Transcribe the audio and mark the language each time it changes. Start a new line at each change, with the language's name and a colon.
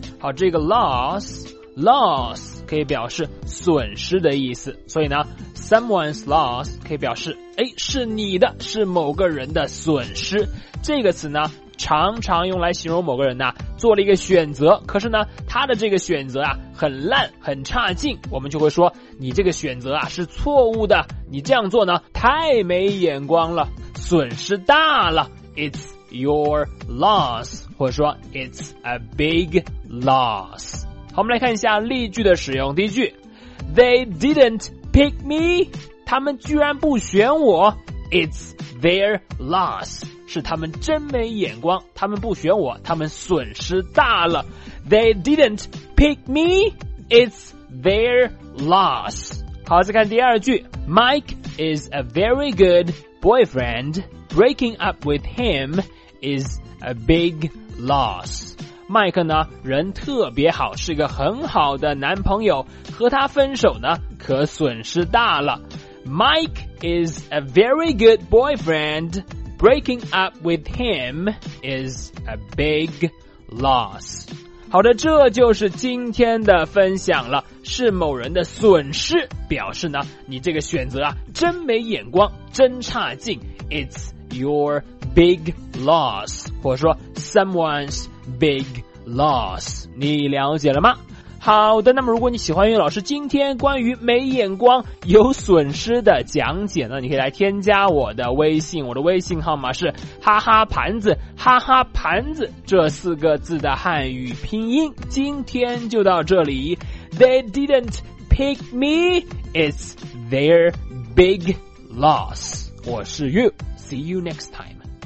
Chinese: 好，这个 loss 可以表示损失的意思，所以呢 Someone's loss 可以表示诶，是你的，是某个人的损失。这个词呢常常用来形容某个人呢做了一个选择，可是呢他的这个选择啊很烂很差劲，我们就会说你这个选择啊是错误的，你这样做呢太没眼光了，损失大了。
English: It's your loss
Chinese: 或者说
English: It's a big loss。
Chinese: 好，我们来看一下例句的使用。第一句，
English: They didn't pick me，
Chinese: 他们居然不选我。
English: It's their loss，
Chinese: 是他们真没眼光，他们不选我，他们损失大了。
English: They didn't pick me, it's their loss。
Chinese: 好，再看第二句，
English: Mike is a very good boyfriend, breaking up with him is a big loss。
Chinese: Mike 呢人特别好，是个很好的男朋友，和他分手呢可损失大了。
English: Mike is a very good boyfriend,Breaking up with him is a big loss。
Chinese: 好的，这就是今天的分享了，是某人的损失，表示呢你这个选择啊真没眼光，真差劲。
English: It's your big loss
Chinese: 或者说
English: someone's big loss。
Chinese: 你了解了吗？好的，那么如果你喜欢于老师今天关于没眼光有损失的讲解呢，你可以来添加我的微信，我的微信号码是哈哈盘子，哈哈盘子这四个字的汉语拼音。今天就到这里，
English: They didn't pick me, it's their big loss。
Chinese: 我是
English: You, see you next time。